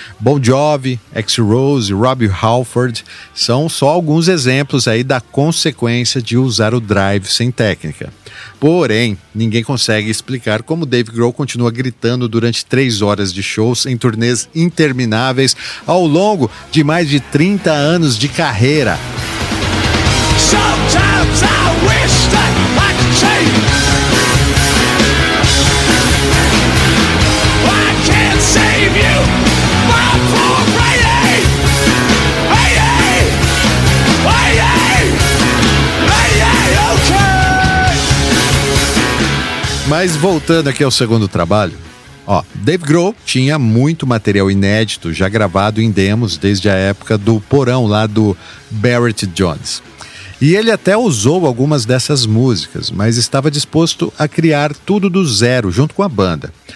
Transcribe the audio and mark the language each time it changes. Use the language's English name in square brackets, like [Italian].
[Portuguese] Bon Jovi, X-Rose, Robbie Halford são só alguns exemplos aí da consequência de usar o drive sem técnica. Porém, ninguém consegue explicar como Dave Grohl continua gritando durante 3 horas de shows em turnês intermináveis ao longo de mais de 30 anos de carreira. [English] Sometimes I wish that I could change. I can't save you, my poor Brady. Hey, hey, hey, hey, hey, hey, hey, okay. [Portuguese] Mas voltando aqui ao segundo trabalho. Ó, Dave Grohl tinha muito material inédito já gravado em demos desde a época do porão lá do Barrett Jones. E ele até usou algumas dessas músicas, mas estava disposto a criar tudo do zero junto com a banda.